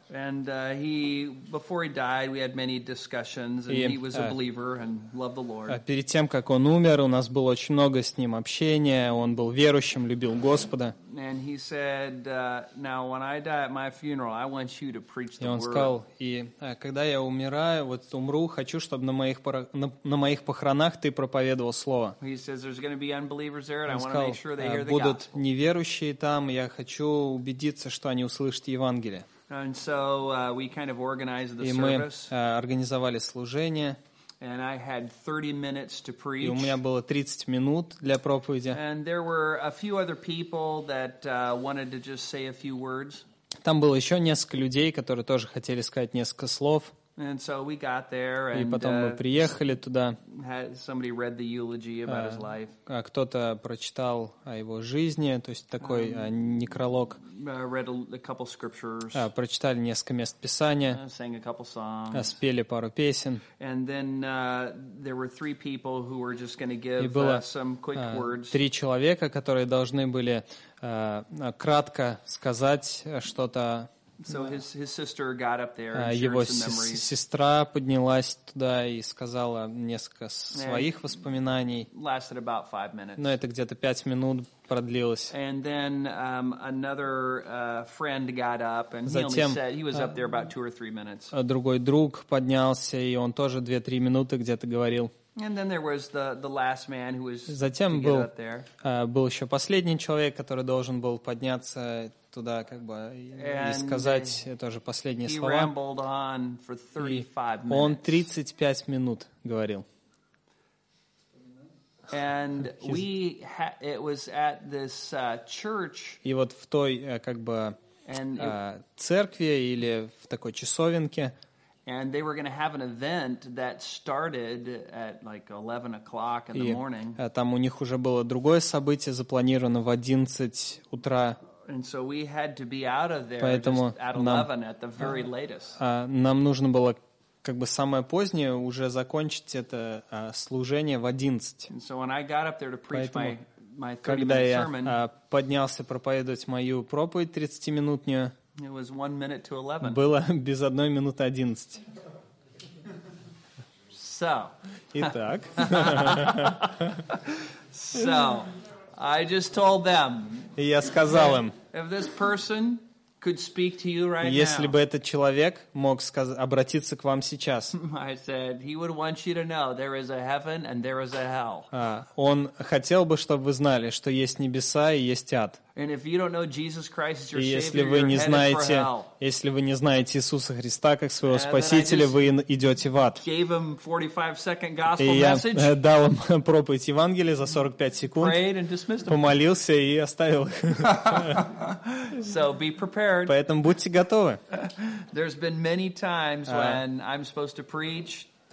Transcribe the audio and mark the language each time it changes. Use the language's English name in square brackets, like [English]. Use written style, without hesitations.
[English] And he, before he died, we had many discussions, and he was a believer and loved the Lord. [Russian] Перед тем, как он умер, у нас было очень много с ним общения. Он был верующим, любил Господа. [English] And he said, "Now, when I die at my funeral, I want you to preach the word." [Russian] И он сказал: "И когда я умираю, вот умру, хочу, чтобы на моих похоронах ты проповедовал слово." [English] He says, "There's going to be unbelievers there, and I want to make sure they hear the gospel." [Russian] Будут неверующие там, я хочу убедиться, что они услышат Евангелие. [English] And so we kind of organized the service. [Russian] И мы организовали служение. [English] And I had 30 minutes to preach. [Russian] И у меня было 30 минут для проповеди. [English] And there were a few other people that wanted to just say a few words. [Russian] Там было еще несколько людей, которые тоже хотели сказать несколько слов. [English] And so we got there, and [Russian] и потом мы приехали туда. [English] Somebody read the eulogy about his life. [Russian] Кто-то прочитал о его жизни, то есть такой некролог. [English] Read a couple scriptures. [Russian] Прочитали несколько мест Писания. [English] Sang a couple songs. [Russian] Спели пару песен. [English] And then there were three people who were just going to give some quick words. [Russian] Три человека, которые должны были кратко сказать что-то. [English] So his sister got up there and shared [Russian] его [English] some memories. [Russian] Сестра поднялась туда и сказала несколько своих воспоминаний. [English] Lasted about 5 minutes. [Russian] Но это где-то 5 минут продлилось. [English] And then another friend got up and he only said he was up there about 2 or 3 minutes. [Russian] Другой друг поднялся и он тоже 2-3 минуты где-то говорил. [English] And then there was the last man who was. [Russian] Затем был еще последний человек, который должен был подняться туда, как бы, и сказать тоже последние слова. [English] On for 35 [Russian] и он 35 минут говорил. [English] And we it was at this church. [Russian] И вот в той, как бы, церкви или в такой часовенке. [English] And they were going to have an event that started at like 11 o'clock in the morning. [Russian] И там у них уже было другое событие запланировано в 11 утра. [English] And so we had to be out of there. [Russian] Поэтому [English] just at 11 at the very latest. [Russian] Нам нужно было как бы самое позднее уже закончить это служение в 11. [English] And so when I got up there to preach [Russian] поэтому, [English] my 30-minute sermon, [Russian] когда я поднялся проповедовать мою проповедь 30-минутную, [English] it was 1 minute to 11. [Russian] Было без 1 минуты 11. [English] So. [Russian] Итак. [English] So, I just told them. [Russian] И я сказал им. [English] If this person could speak to you right now. [Russian] Если бы этот человек мог обратиться к вам сейчас. [English] I said he would want you to know there is a heaven and there is a hell. [Russian] Он хотел бы, чтобы вы знали, что есть небеса и есть ад. [English] And if you don't know Jesus Christ as your Savior, [Russian] если вы не знаете, если вы не знаете Иисуса Христа как своего Спасителя, вы идете в ад. [English] Gave him 45-second gospel message. [Russian] И я дал им проповедь Евангелия за 45 секунд. [English] Prayed and dismissed him. [Russian] Помолился и оставил. [English] So be prepared. [Russian] Поэтому будьте готовы. [English] There's been many times when I'm supposed to preach.